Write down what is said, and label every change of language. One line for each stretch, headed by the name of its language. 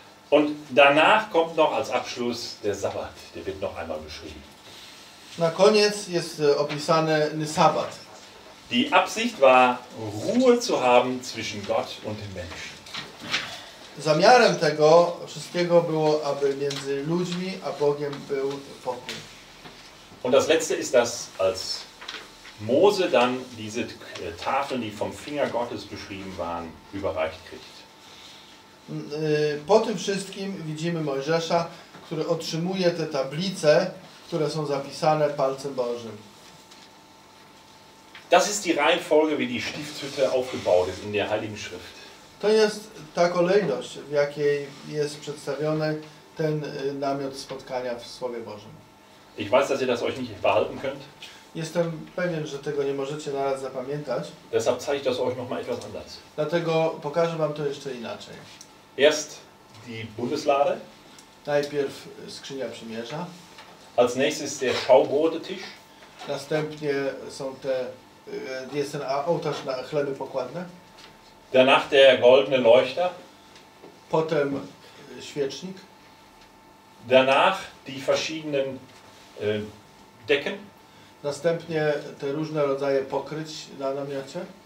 German: Und danach kommt noch als Abschluss der Sabbat, der wird noch einmal beschrieben.
Polish: Na koniec jest opisane Sabbat.
German: Die Absicht war, Ruhe zu haben zwischen Gott und den Menschen.
Polish: Zamiarem tego wszystkiego było, aby między ludźmi a Bogiem był pokój.
German: Und das letzte ist das, als Mose dann diese Tafeln, die vom Finger Gottes beschrieben waren, überreicht kriegt.
Polish: Po tym wszystkim widzimy Mojżesza, który otrzymuje te tablice, które są zapisane palcem Bożym.
German: Das ist die Reihenfolge, wie die Stiftshütte aufgebaut ist in der Heiligen Schrift.
Polish: To jest ta kolejność, w jakiej jest przedstawiony ten namiot spotkania w Słowie Bożym.
German: Ich weiß, dass ihr das euch nicht behalten könnt.
Polish: Jestem pewien, że tego nie możecie na raz zapamiętać.
German: Deshalb zeige ich das euch noch mal etwas anders.
Polish: Dlatego pokażę wam to jeszcze inaczej.
German: Erst die Bundeslade.
Polish: Najpierw skrzynia przymierza.
German: Als nächstes der Schaubrotetisch.
Polish: Następnie są te jest ten ołtarz na chleby pokładne.
German: Danach der goldene Leuchter.
Polish: Potem świecznik.
German: Danach die verschiedenen Decken.
Polish: Następnie te różne rodzaje pokryć na namiocie.